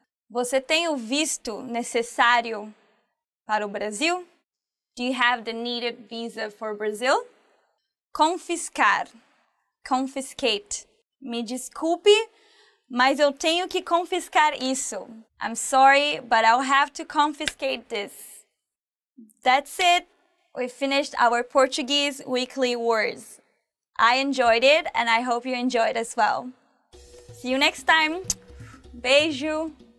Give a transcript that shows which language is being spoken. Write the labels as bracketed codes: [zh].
[pt] Você tem o visto necessário para o Brasil? [en] Do you have the needed visa for Brazil? [pt] Confiscar. Confiscate. Me desculpe, mas eu tenho que confiscar isso. [en] I'm sorry, but I'll have to confiscate this. That's it. We finished our Portuguese weekly words. I enjoyed it, and I hope you enjoyed as well. See you next time. Beijo.